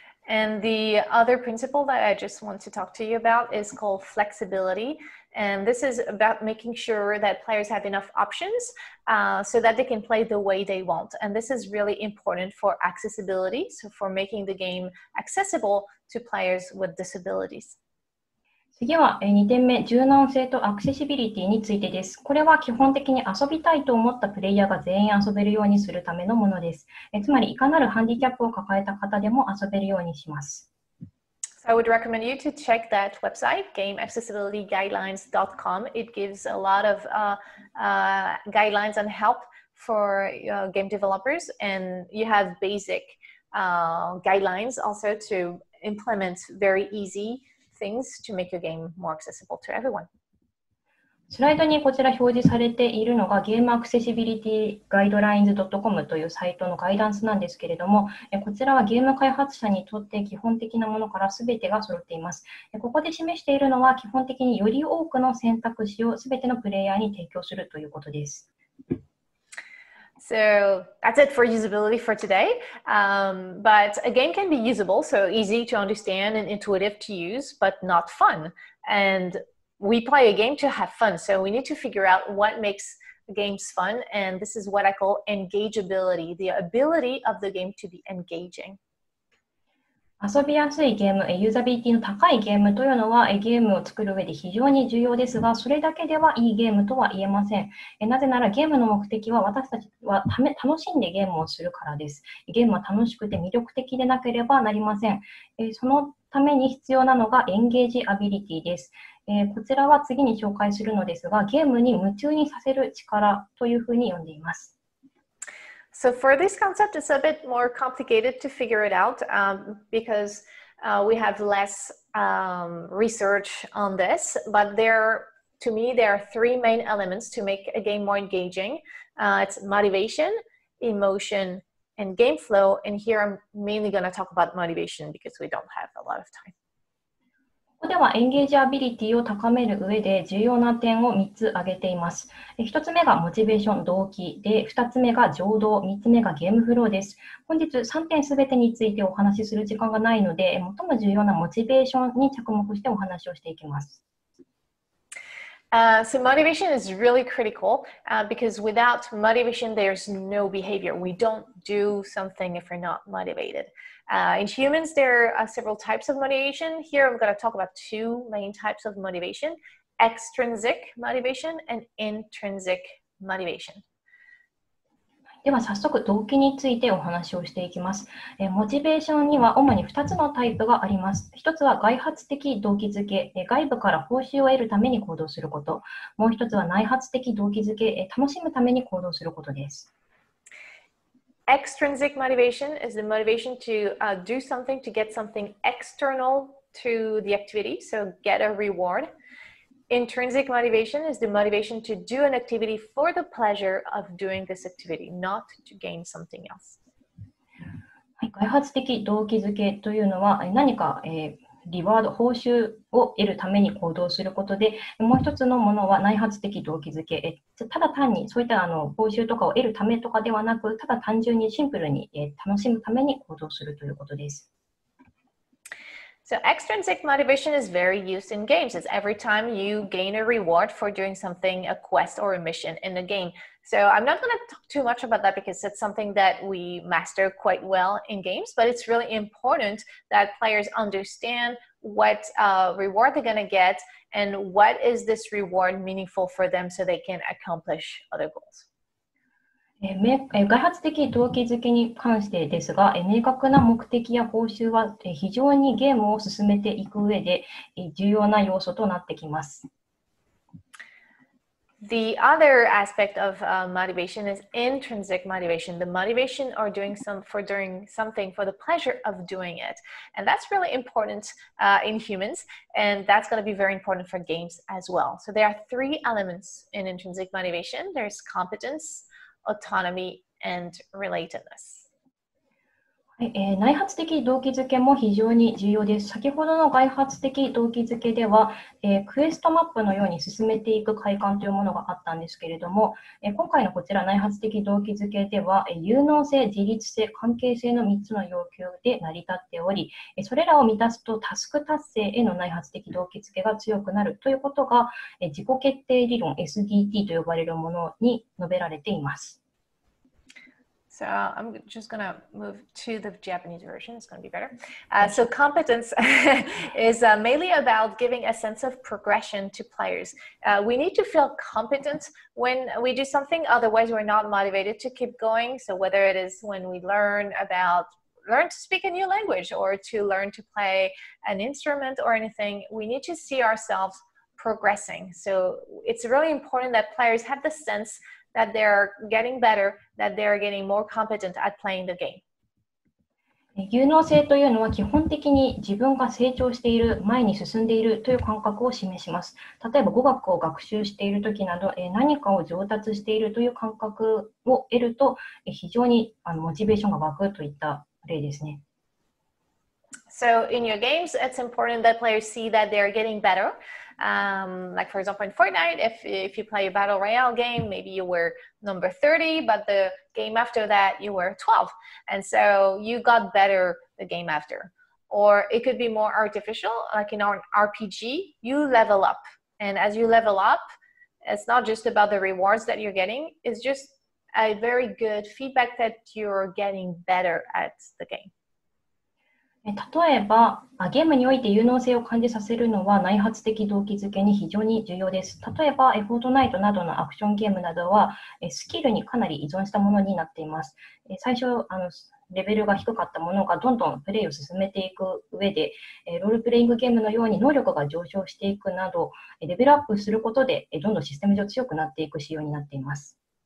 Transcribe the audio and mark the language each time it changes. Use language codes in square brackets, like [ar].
[en] And the other principle that I just want to talk to you about is called flexibility. And this is about making sure that players have enough options so that they can play the way they want. And this is really important for accessibility, so for making the game accessible to players with disabilities. [ja] 次は2点目、柔軟性とアクセシビリティについてです。これは基本的に遊びたいと思ったプレイヤーが全員遊べるようにするためのものです。つまり、いかなるハンディキャップを抱えた方でも遊べるようにします。 [en] I would recommend you to check that website, gameaccessibilityguidelines.com. It gives a lot of guidelines and help for game developers, and you have basic guidelines also to implement very easy. Things to make your game more accessible to everyone. [ja] スライドにこちら表示されているのがゲームアクセシビリティガイドラインズ .com というサイトのガイダンスなんですけれども、こちらはゲーム開発者にとって基本的なものから全てが揃っています。ここで示しているのは基本的により多くの選択肢を全てのプレイヤーに提供するということです。 [en] So that's it for usability for today. But a game can be usable, so easy to understand and intuitive to use, but not fun. And we play a game to have fun, so we need to figure out what makes games fun. And this is what I call engageability, the ability of the game to be engaging. [ja] 遊びやすいゲーム、ユーザビリティの高いゲームというのはゲームを作る上で非常に重要ですが、それだけではいいゲームとは言えません。なぜならゲームの目的は私たちは楽しんでゲームをするからです。ゲームは楽しくて魅力的でなければなりません。そのために必要なのがエンゲージアビリティです。こちらは次に紹介するのですが、ゲームに夢中にさせる力というふうに呼んでいます。 [en] So for this concept, it's a bit more complicated to figure it out because we have less research on this. But there are three main elements to make a game more engaging. It's motivation, emotion, and game flow. And here I'm mainly going to talk about motivation because we don't have a lot of time. [ja] ここではエンゲージアビリティを高める上で重要な点を3つ挙げています。 1つ目がモチベーション、動機で、2つ目が情動、3つ目がゲームフローです。本日3点すべてについてお話しする時間がないので、最も重要なモチベーションに着目してお話をしていきます。 [en] So motivation is really critical, because without motivation, there's no behavior. We don't do something if we're not motivated. In humans, there are several types of motivation. Here, I'm going to talk about two main types of motivation, extrinsic motivation and intrinsic motivation. [ja] では早速動機についてお話をしていきます。モチベーションには主に2つのタイプがあります。 1つは外発的動機づけ、外部から報酬を得るために行動すること。もう1つは内発的動機づけ、楽しむために行動することです。 [en] Extrinsic motivation is the motivation to do something to get something external to the activity, so get a reward. Intrinsic motivation is the motivation to do an activity for the pleasure of doing this activity, not to gain something else. [ja] 外発的動機づけというのは何か、リワード、報酬を得るために行動することで、もう一つのものは内発的動機づけ。ただ単にそういった報酬とかを得るためとかではなく、ただ単純にシンプルに、楽しむために行動するということです。 [en] So extrinsic motivation is very used in games. It's every time you gain a reward for doing something, a quest or a mission in a game. So I'm not going to talk too much about that because it's something that we master quite well in games, but it's really important that players understand what reward they're going to get and what is this reward meaningful for them so they can accomplish other goals. [ja] 外発的動機づけに関してですが、明確な目的や報酬は非常にゲームを進めていく上で重要な要素となってきます。 [en] The other aspect of motivation is intrinsic motivation. The motivation or doing some for doing something for the pleasure of doing it. And that's really important in humans. And that's going to be very important for games as well. So there are three elements in intrinsic motivation. There's competenceAutonomy and relatedness. [ja] 内発的動機づけも非常に重要です。先ほどの外発的動機づけでは、クエストマップのように進めていく快感というものがあったんですけれども、今回のこちら内発的動機づけでは、有能性、自立性、関係性の3つの要求で成り立っており、それらを満たすとタスク達成への内発的動機づけが強くなるということが、自己決定理論 SDT と呼ばれるものに述べられています。 [en] So I'm just going to move to the Japanese version. It's going to be better. So competence is mainly about giving a sense of progression to players. We need to feel competent when we do something. Otherwise, we're not motivated to keep going. So whether it is when we learn to speak a new language or to learn to play an instrument or anything, we need to see ourselves progressing. So it's really important that players have the sense that they're getting better, that they're getting more competent at playing the game. [ja] 有能性というのは基本的に自分が成長している、前に進んでいるという感覚を示します。例えば語学を学習しているときなど、何かを上達しているという感覚を得ると、非常にモチベーションが湧くといった例ですね。 [en] So in your games, it's important that players see that they're getting better. Like for example in Fortnite, if you play a battle royale game, maybe you were number 30, but the game after that you were 12, and so you got better the game after. Or it could be more artificial, like in an RPG, you level up, and as you level up, it's not just about the rewards that you're getting, it's just a very good feedback that you're getting better at the game. [ja] 例えば、ゲームにおいて有能性を感じさせるのは内発的動機づけに非常に重要です。例えば、フォートナイトなどのアクションゲームなどは、スキルにかなり依存したものになっています。最初、レベルが低かったものがどんどんプレイを進めていく上で、ロールプレイングゲームのように能力が上昇していくなど、レベルアップすることで、どんどんシステム上強くなっていく仕様になっています。